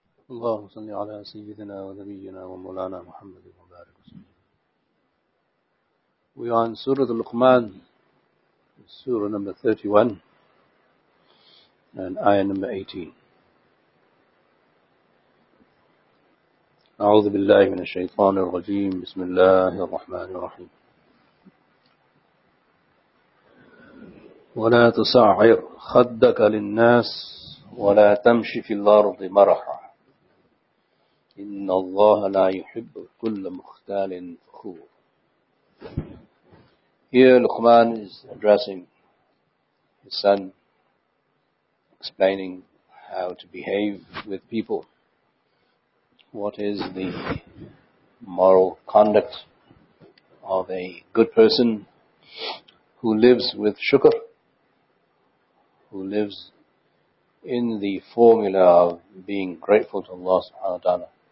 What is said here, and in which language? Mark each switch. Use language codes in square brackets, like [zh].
[ar] اللهم صل على سيدنا ونبينا ومولانا محمد المبارك. [en] We are in Surah Luqman, Surah number 31 and Ayah number 18. [ar] أعوذ بالله من الشيطان الرجيم بسم الله الرحمن الرحيم ولا تسعر خدك للناس ولا تمشي في الأرض مرحا إِنَّ اللَّهَ لَا يُحِبُّ كُلَّ مُخْتَالٍ فَخُورٍ. [en] Here Luqman is addressing his son, explaining how to behave with people, what is the moral conduct of a good person who lives with shukr, who lives in the formula of being grateful to Allah subhanahu wa ta'ala,